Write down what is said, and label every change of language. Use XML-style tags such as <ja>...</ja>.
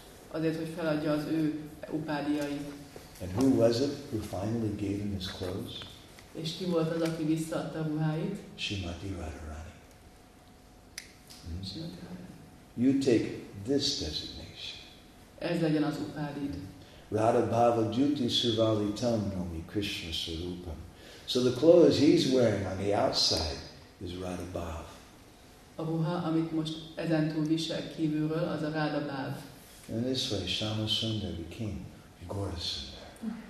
<hu>Azért, hogy feladja az ő upádiai.</hu> <en>And who was it who finally gave him his clothes?</en> <hu>És ki volt az, aki visszaadta a ruháit?</hu> <en>Srimati Radharani. You take this designation.</en> <hu>Ez legyen az upádid.</hu> <sa>Radha Bhava Jyoti Suvalitam Nomi Krishna Sarupam.</sa> <en>So the clothes he's wearing on the outside is Radha Bhav.</en> <hu>A ruha, amit most ezentúl visel kívülről, az a Radha Bhav.</hu> <en>And this way, Shama Sundar became Gaura Sundar.</en>